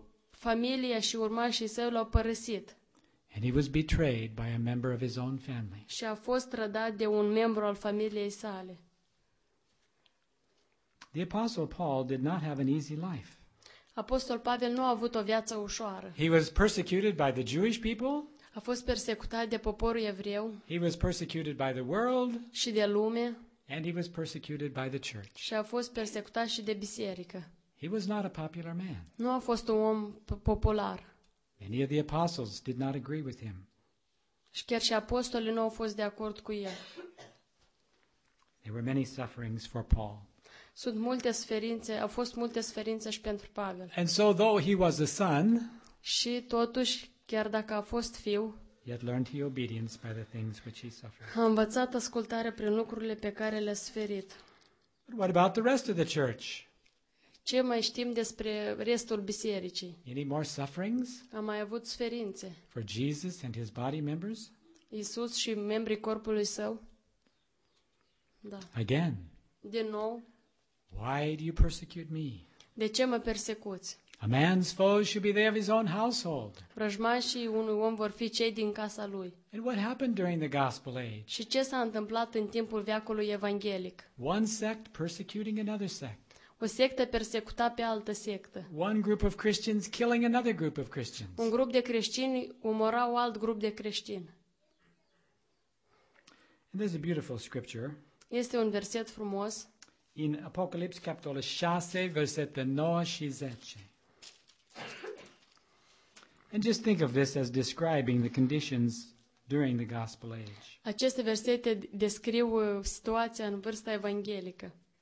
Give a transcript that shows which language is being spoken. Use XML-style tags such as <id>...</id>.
<ro>Familia și urmașii săi l-au părăsit.</ro> <en>And he was betrayed by a member of his own family.</en> <ro>Și a fost trădat de un membru al familiei sale.</ro> <en>The apostle Paul did not have an easy life.</en> <ro>Apostol Pavel nu a avut o viață ușoară.</ro> <en>He was persecuted by the Jewish people.</en> <ro>A fost persecutat de poporul evreu.</ro> <en>He was persecuted by the world.</en> <ro>Și de lume.</ro> <en>And he was persecuted by the church.</en> <ro>Și a fost persecutat și de biserică.</ro> <en>He was not a popular man.</en> <ro>Nu a fost un om popular.</ro> <en>Many of the apostles did not agree with him.</en> <ro>Și chiar și apostolii nu au fost de acord cu el.</ro> <en>There were many sufferings for Paul.</en> <ro>Sunt multe suferințe, au fost multe suferințe și pentru Pavel.</ro> <en>And so though he was a son,</en> <ro>și totuși chiar dacă a fost fiu,</ro> <en>yet learned he obedience by the things which he suffered.</en> <ro>A învățat ascultare prin lucrurile pe care le-a suferit.</ro> <en>What about the rest of the church?</en> <ro>Ce mai știm despre restul bisericii?</ro> <en>Any more sufferings?</en> <ro>Am mai avut suferințe?</ro> <en>For Jesus and his body members?</en> <ro>Iisus și membrii corpului său? Da.</ro> <en>Again.</en> <ro>Din nou.</ro> <en>Why do you persecute me?</en> <ro>De ce mă persecuți?</ro> <en>A man's foes should be they of his own household.</en> <ro>Vrăjmașii unui om vor fi cei din casa lui.</ro> <en>And what happened during the gospel age?</en> <ro>Și ce s-a întâmplat în timpul veacului evanghelic?</ro> <en>One sect persecuting another sect.</en> <ro>O sectă persecuta pe altă sectă.</ro> <en>One group of Christians killing another group of Christians.</en> <ro>Un grup de creștini omora un alt grup de creștini.</ro> <en>And there's a beautiful scripture.</en> <ro>Este un verset frumos. In Apocalypse capitolul 6, versetele 9 și 10.</ro> <en>And just think of this as describing the conditions during the gospel age.</en> <ro>Aceste versete descriu situația în vârsta evanghelică.</ro>